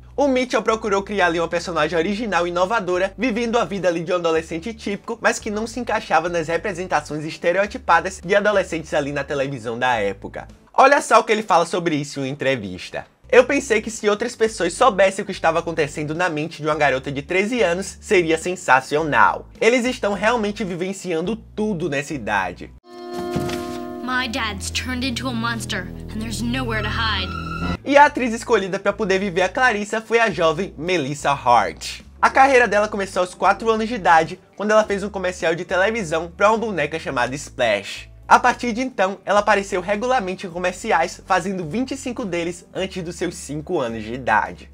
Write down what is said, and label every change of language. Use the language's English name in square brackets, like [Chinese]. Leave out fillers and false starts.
[Portuguese] O Mitchell procurou criar ali uma personagem original e inovadora, vivendo a vida ali de um adolescente típico, mas que não se encaixava nas representações estereotipadas de adolescentes ali na televisão da época. Olha só o que ele fala sobre isso em uma entrevista. Eu pensei que se outras pessoas soubessem o que estava acontecendo na mente de uma garota de 13 anos, seria sensacional. Eles estão realmente vivenciando tudo nessa idade. [English] My dad's turned into a monster and there's nowhere to hide. [Portuguese] E a atriz escolhida para poder viver a Clarissa foi a jovem Melissa Hart. A carreira dela começou aos 4 anos de idade, quando ela fez um comercial de televisão para uma boneca chamada Splash. A partir de então, ela apareceu regularmente em comerciais, fazendo 25 deles antes dos seus 5 anos de idade.